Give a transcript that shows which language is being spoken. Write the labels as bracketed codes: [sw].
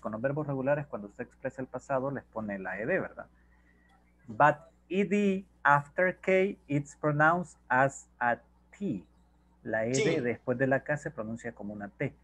[es] Con los verbos regulares, cuando usted expresa el pasado, les pone la ED, ¿verdad? [en] But ED after K, it's pronounced as a T. [es] La ED después de la K se pronuncia como una T.